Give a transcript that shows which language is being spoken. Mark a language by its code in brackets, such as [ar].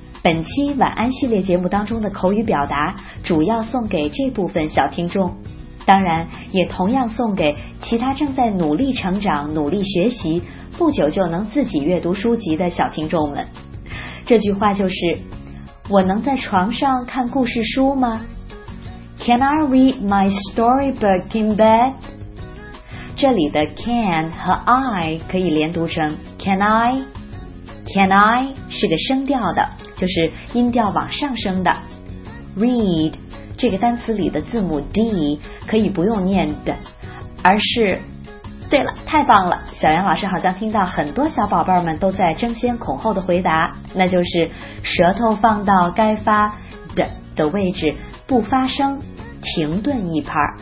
[zh] 本期晚安系列节目当中的口语表达主要送给这部分小听众，当然也同样送给其他正在努力成长、努力学习、不久就能自己阅读书籍的小听众们。这句话就是，我能在床上看故事书吗？ [en] Can I read my storybook in bed? [zh] 这里的 can 和 I 可以连读成 can I? Can I 是个声调的，就是音调往上升的。 read 这个单词里的字母 D 可以不用念的，而是，对了，太棒了，小杨老师好像听到很多小宝贝们都在争先恐后的回答，那就是舌头放到该发的的位置，不发声，停顿一拍。